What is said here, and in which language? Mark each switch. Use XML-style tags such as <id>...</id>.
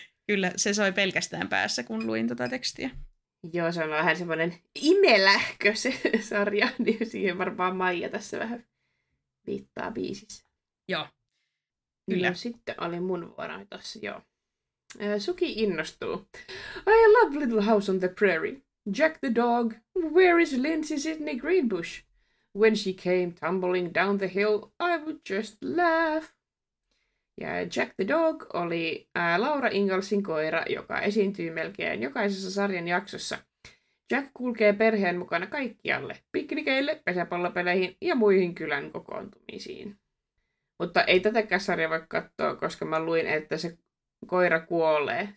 <fi>Kyllä, se soi pelkästään päässä, kun luin tuota tekstiä. Joo, se on vähän semmoinen imelähkö se sarja, niin siihen varmaan Maija tässä vähän viittaa biisissä. Joo, kyllä. No, sitten oli mun vuoroni tossa, joo. Suki innostuu.</fi> <en>I love Little House on the Prairie. Jack the dog, where is Lindsay Sidney Greenbush? When she came tumbling down the hill, I would just laugh.</en> <fi>Ja Jack the Dog oli Laura Ingallsin koira, joka esiintyy melkein jokaisessa sarjan jaksossa. Jack kulkee perheen mukana kaikkialle, piknikeille, pesäpallopeleihin ja muihin kylän kokoontumisiin. Mutta ei tätäkään sarja voi katsoa, koska mä luin, että se koira kuolee.</fi>